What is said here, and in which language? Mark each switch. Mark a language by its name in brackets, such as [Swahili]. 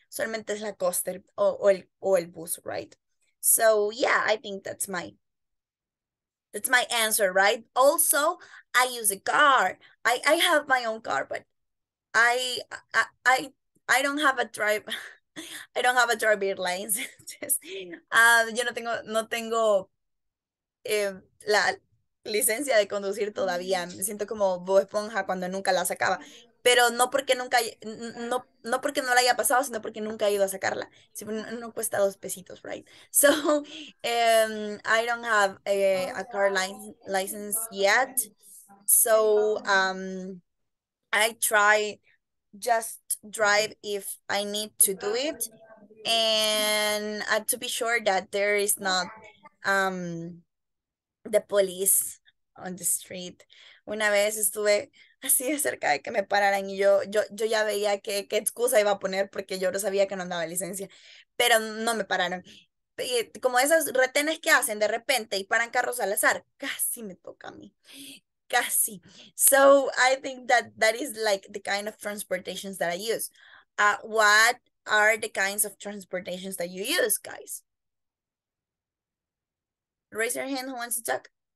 [Spanish] solamente es la coaster o el bus, [English] right? So yeah, I think that's my answer, right? Also, I use a car. I have my own car, but I don't have a drive. I don't have a driver license. [Spanish] Yo no tengo la licencia de conducir todavía. Me siento como Bob Esponja cuando nunca la sacaba. Pero no porque no la haya pasado, sino porque nunca he ido a sacarla. No cuesta dos pesitos, [English] right? So, I don't have a car license yet. So, I try just drive if I need to do it. And to be sure that there is not the police on the street. [Spanish] Una vez estuve así de cerca de que me pararan y yo ya veía qué excusa iba a poner porque yo no sabía que no andaba licencia, pero no me pararon. Y como esos retenes que hacen de repente y paran carros al azar, casi me toca a mí, casi. [English] So I think that is like the kind of transportations that I use. What are the kinds of transportations that you use, guys? Raise your hand who wants to talk.